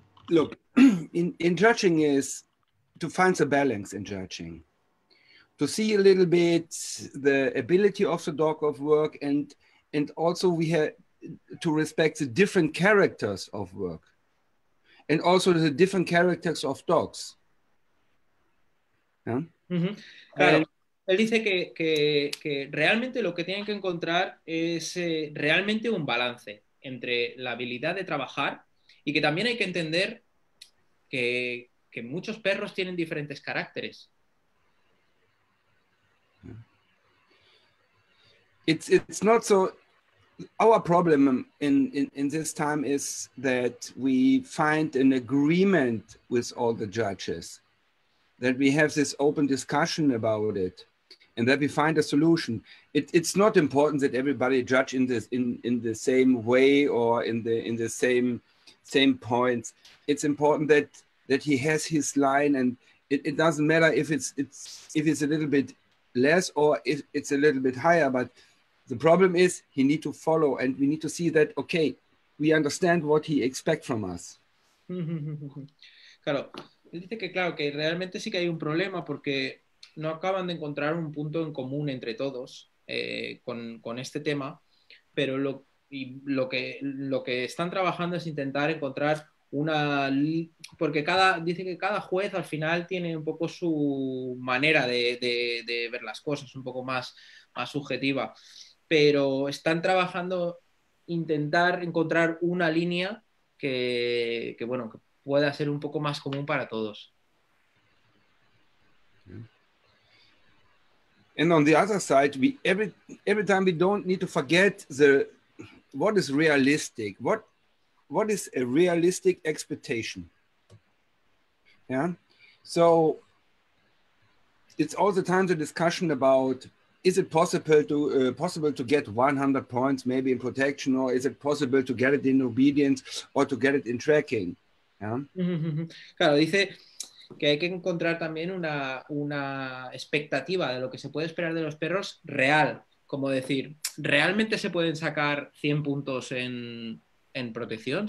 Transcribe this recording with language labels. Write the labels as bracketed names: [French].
[English] Look, in judging is to find the balance in judging, to see a little bit the ability of the dog of work and also we have to respect the different characters of work and also the different characters of dogs. Yeah? Mm-hmm. [Spanish] Él dice que realmente lo que tienen que encontrar es realmente un balance entre la habilidad de trabajar y que también hay que entender que muchos perros tienen diferentes caracteres. [English] It's not so. Our problem in this time is that we find an agreement with all the judges, that we have this open discussion about it, and that we find a solution. It's not important that everybody judge in the same way or in the same points. It's important that he has his line, and it doesn't matter if it's a little bit less or if it's a little bit higher, but the problem is he need to follow and we need to see that, okay, we understand what he expects from us. [Spanish] Claro, Él dice que claro, que realmente sí que hay un problema porque no acaban de encontrar un punto en común entre todos con este tema, pero lo que están trabajando es intentar encontrar una... Porque cada dice que cada juez al final tiene un poco su manera de ver las cosas, un poco más subjetiva, pero están trabajando intentar encontrar una línea que bueno, que pueda ser un poco más común para todos. [English] And on the other side, we every time we don't need to forget the what is realistic, what is a realistic expectation. Yeah, so it's all the time the discussion about is it possible to get 100 points maybe in protection, or is it possible to get it in obedience or to get it in tracking. [Spanish] Claro, dice que hay que encontrar también una expectativa de lo que se puede esperar de los perros real, como decir, ¿realmente se pueden sacar 100 puntos en protección?